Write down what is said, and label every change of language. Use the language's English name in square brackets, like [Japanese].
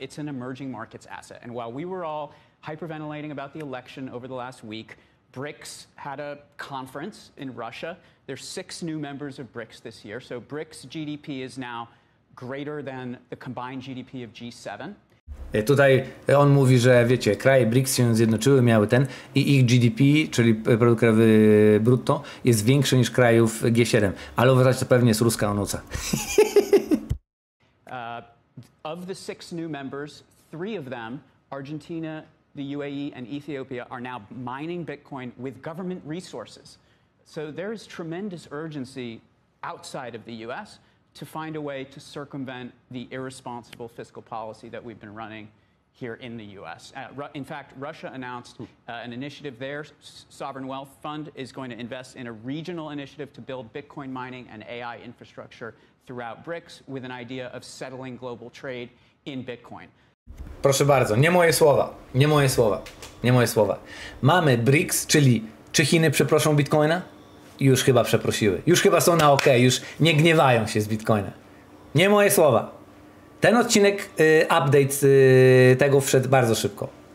[English] It's an emerging markets asset. And while we were all hyperventilating about the election over the last week, BRICS had a conference in Russia. There's 6 new members of BRICS this year. So BRICS GDP is now greater than the combined GDP of G7. [Polish] Tutaj on mówi, że wiecie, kraje BRICS się zjednoczyły, miały ten i ich GDP, czyli produkt krajowy brutto, jest większy niż krajów G7. Ale uważać to pewnie jest ruska onuca. [English] Of the 6 new members, 3 of them, Argentina, the UAE and Ethiopia are now mining Bitcoin with government resources. So there is tremendous urgency outside of the US to find a way to circumvent the irresponsible fiscal policy that we've been running here in the US. In fact, Russia announced an initiative there. Sovereign Wealth Fund is going to invest in a regional initiative to build Bitcoin mining and AI infrastructure throughout BRICS with an idea of settling global trade in Bitcoin. [Polish] Proszę bardzo, nie moje słowa, nie moje słowa, nie moje słowa. Mamy BRICS, czyli czy Chiny przeproszą Bitcoina? Już chyba przeprosiły, już chyba są na OK, już nie gniewają się z Bitcoina. Nie moje słowa. Ten odcinek, update tego wszedł bardzo szybko.